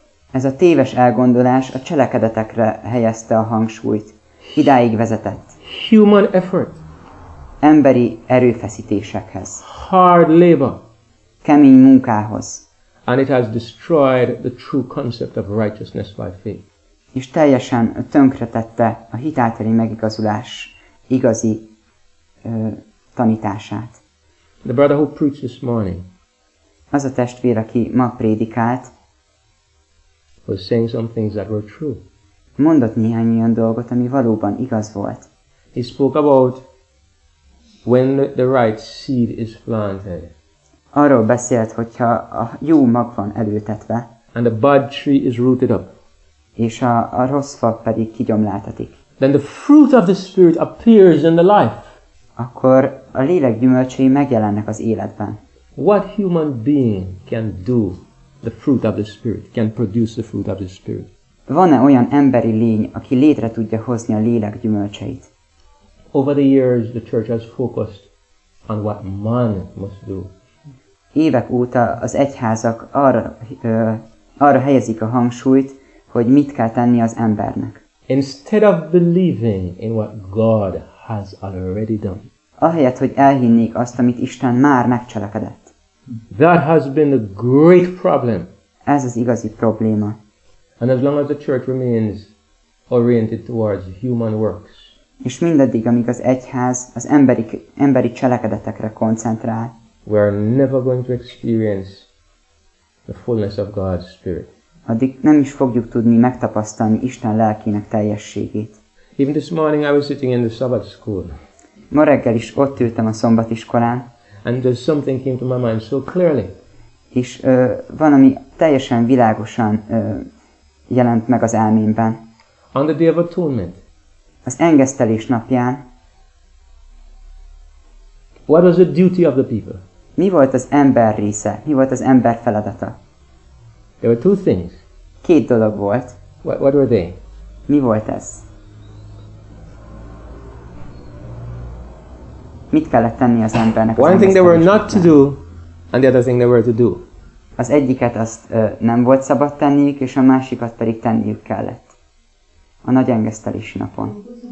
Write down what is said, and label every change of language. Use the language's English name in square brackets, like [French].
[Hungarian] Ez a téves elgondolás a cselekedetekre helyezte a hangsúlyt. Idáig vezetett. [English] Human effort. [Hungarian] Emberi erőfeszítésekhez. [English] Hard labor. [Hungarian] Kemény munkához. [English] And it has destroyed the true concept of righteousness by faith. [Hungarian] És teljesen tönkretette a hit általi megigazulás igazi tanítását. [English] The brother who preached this morning, [Hungarian] az a testvér, aki ma prédikált, [English] was saying some things that were true. [Hungarian] Mondott néhány olyan dolgot, ami valóban igaz volt. [English] He spoke about when the right seed is planted. [Hungarian] Arról beszélt, hogyha a jó mag van elültetve, [English] and a bad tree is rooted up. [Hungarian] És a rossz fa pedig kigyomláltatik. [English] Then the fruit of the spirit appears in the life. [Hungarian] Akkor a lélek gyümölcsei megjelennek az életben. [English] What human being can do the fruit of the spirit, can produce the fruit of the spirit? [Hungarian] Van-e olyan emberi lény, aki létre tudja hozni a lélek gyümölcseit? [English] Over the years, the church has focused on what man must do. [Hungarian] Évek óta az egyházak arra helyezik a hangsúlyt, hogy mit kell tenni az embernek. [English] Instead of believing in what God has already done. [Hungarian] Ahelyett, hogy elhinnék azt, amit Isten már megcselekedett. [English] That has been a great problem. [Hungarian] Ez az igazi probléma. [English] And as long as the church remains oriented towards human works. [Hungarian] És mindaddig, amíg az egyház az emberi cselekedetekre koncentrál. [English] We are never going to experience the fullness of God's Spirit. [Hungarian] Addig nem is fogjuk tudni megtapasztalni Isten lelkének teljességét. [English] Even this morning I was sitting in the Sabbath school. [Hungarian] Ma reggel is ott ültem a szombatiskolán. [English] And there's something came to my mind so clearly. [Hungarian] És valami teljesen világosan jelent meg az elmémben. [English] On the Day of Atonement. [Hungarian] Az engesztelés napján. [English] What was the duty of the people? [Hungarian] Mi volt az ember része? Mi volt az ember feladata? [English] There were two things. [Hungarian] Két dolog volt. [English] What were they? [Hungarian] Mi volt ez? Mit kellett tenni az embernek? [English] One thing they were not to do, and the other thing they were to do. [Hungarian] Az egyiket azt nem volt szabad tenniük, és a másikat pedig tenniük kellett. A nagy engesztelési napon.